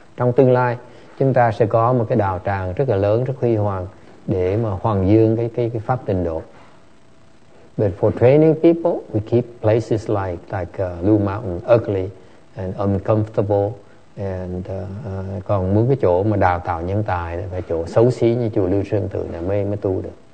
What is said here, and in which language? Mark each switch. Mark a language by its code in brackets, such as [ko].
[vi] Trong tương lai chúng ta sẽ có một cái đạo tràng rất là lớn, rất huy hoàng để mà hoàng dương cái pháp tịnh độ. [en] But for training people, we keep places like Lu Mountain ugly and uncomfortable. [vi] And còn muốn cái chỗ mà đào tạo nhân tài là chỗ xấu xí như chùa Lưu Sơn Tự này mới tu được.